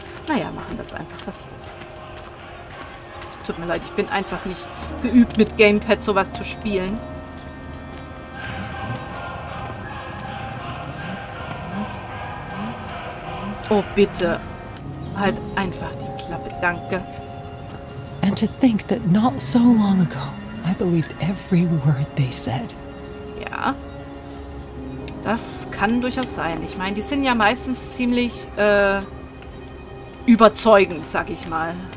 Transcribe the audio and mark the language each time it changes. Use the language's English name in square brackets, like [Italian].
[German] Naja, machen das einfach, was los. Tut mir leid, ich bin einfach nicht geübt, mit Gamepad sowas zu spielen. Oh, bitte. Halt einfach die Klappe, danke. [English] And to think that not so long ago, I believed every word they said. [German] Ja. Das kann durchaus sein. Ich meine, die sind ja meistens ziemlich überzeugend, sag ich mal.